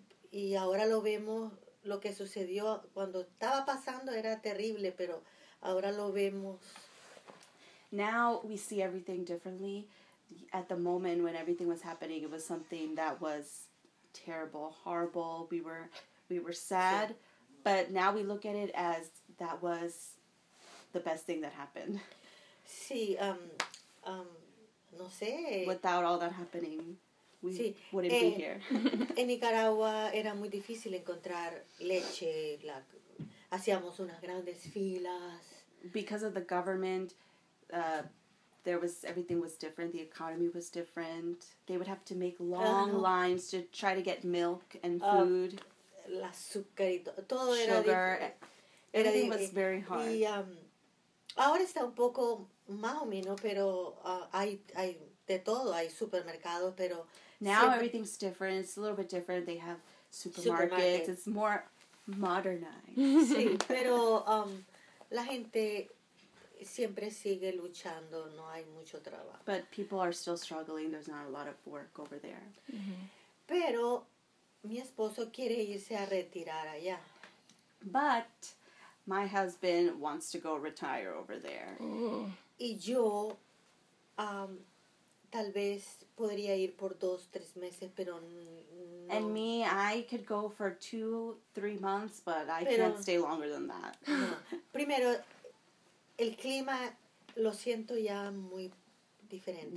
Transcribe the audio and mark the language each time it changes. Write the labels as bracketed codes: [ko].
[es] Y ahora lo vemos, lo que sucedió cuando estaba pasando era terrible, pero ahora lo vemos. [en] Now we see everything differently. At the moment when everything was happening, it was something that was terrible, horrible. We were sad, sí. But now we look at it as that was the best thing that happened. [es] Sí, no sé. [en] Without all that happening, we sí. wouldn't be here. [es] En Nicaragua era muy difícil encontrar leche. Hacíamos unas grandes filas. [en] Because of the government, everything was different. The economy was different. They would have to make long lines to try to get milk and food. [es] El azúcar y todo era [en] difícil. Sugar. Everything was very hard. [es] Y ahora está un poco más o menos, pero hay de todo, hay supermercados, pero [en] now everything's different, it's a little bit different, they have supermarkets, it's more modernized. [es] Sí, pero la gente siempre sigue luchando, no hay mucho trabajo. [en] But people are still struggling, there's not a lot of work over there. Mm-hmm. [es] Pero mi esposo quiere irse a retirar allá. [en] But my husband wants to go retire over there. Ooh. [es] Y yo, tal vez podría ir por 2-3 meses, pero no. [en] And me, I could go for 2-3 months, but I can't stay longer than that. [es] No. Primero, el clima lo siento ya muy diferente.